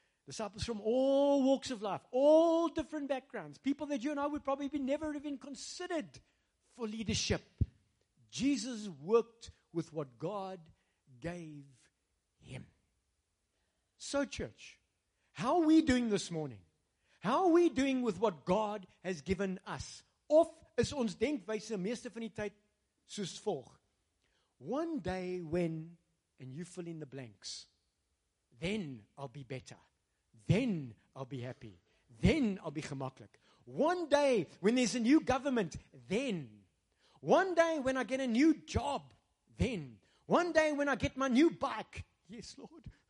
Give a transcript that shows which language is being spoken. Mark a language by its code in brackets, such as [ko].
[en] Disciples from all walks of life, all different backgrounds, people that you and I would probably be never even considered for leadership. Jesus worked with what God gave him. So, church, how are we doing this morning? How are we doing with what God has given us? [af] Of is ons denkwyse meeste van die tyd soos volg. [en] One day when, and you fill in the blanks, then I'll be better. Then I'll be happy. Then I'll be gemaklik. One day when there's a new government, then. One day when I get a new job, then. One day when I get my new bike, yes, Lord.